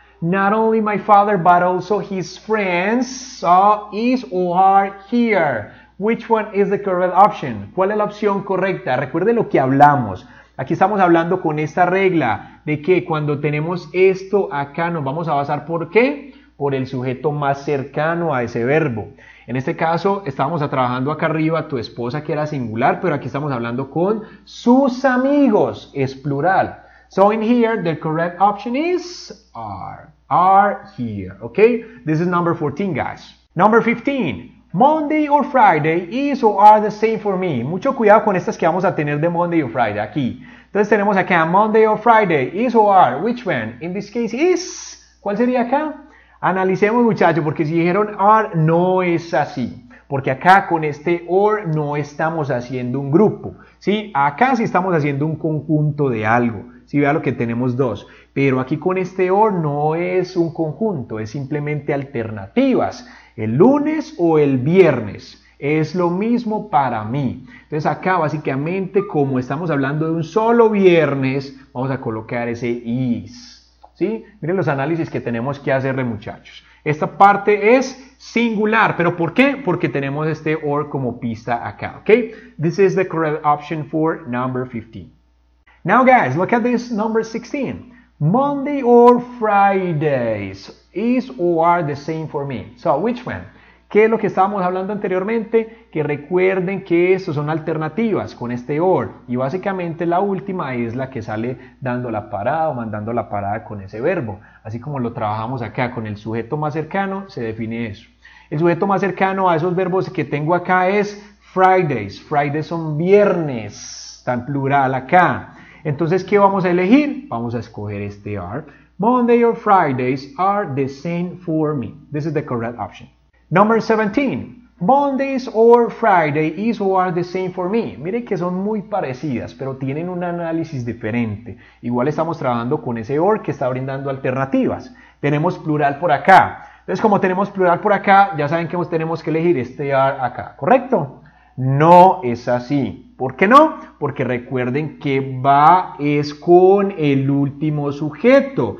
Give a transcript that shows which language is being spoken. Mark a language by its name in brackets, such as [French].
[English] Not only my father, but also his friends is or are here. Which one is the correct option? [Spanish] ¿Cuál es la opción correcta? Recuerde lo que hablamos. Aquí estamos hablando con esta regla de que cuando tenemos esto acá nos vamos a basar ¿por qué? Por el sujeto más cercano a ese verbo. En este caso estábamos trabajando acá arriba tu esposa que era singular, pero aquí estamos hablando con sus amigos, es plural. [English] So in here the correct option is are here, okay? This is number 14, guys. Number 15. Monday or Friday is or are the same for me. [Spanish] Mucho cuidado con estas que vamos a tener de Monday or Friday aquí. Entonces tenemos acá Monday or Friday is or are. [English] Which one? In this case is. [Spanish] ¿Cuál sería acá? Analicemos, muchachos, porque si dijeron are, no es así. Porque acá con este or no estamos haciendo un grupo. ¿Sí? Acá sí estamos haciendo un conjunto de algo. ¿Sí? Vea lo que tenemos dos. Pero aquí con este or no es un conjunto, es simplemente alternativas. El lunes o el viernes. Es lo mismo para mí. Entonces acá básicamente como estamos hablando de un solo viernes, vamos a colocar ese is. ¿Sí? Miren los análisis que tenemos que hacerle, muchachos. Esta parte es singular, ¿pero por qué? Porque tenemos este or como pista acá, ¿ok? [English] This is the correct option for number 15. Now guys, look at this number 16. Monday or Fridays is or are the same for me. So, which one? [Spanish] ¿Qué es lo que estábamos hablando anteriormente? Que recuerden que estos son alternativas con este or. Y básicamente la última es la que sale dando la parada o mandando la parada con ese verbo. Así como lo trabajamos acá con el sujeto más cercano, se define eso. El sujeto más cercano a esos verbos que tengo acá es Fridays. Fridays son viernes, tan plural acá. Entonces, ¿qué vamos a elegir? Vamos a escoger este are. [English] Monday or Fridays are the same for me. This is the correct option. Number 17. Mondays or Friday is or are the same for me. [Spanish] Miren que son muy parecidas, pero tienen un análisis diferente. Igual estamos trabajando con ese or que está brindando alternativas. Tenemos plural por acá. Entonces, como tenemos plural por acá, ya saben que tenemos que elegir este are acá, ¿correcto? No es así. ¿Por qué no? Porque recuerden que va es con el último sujeto.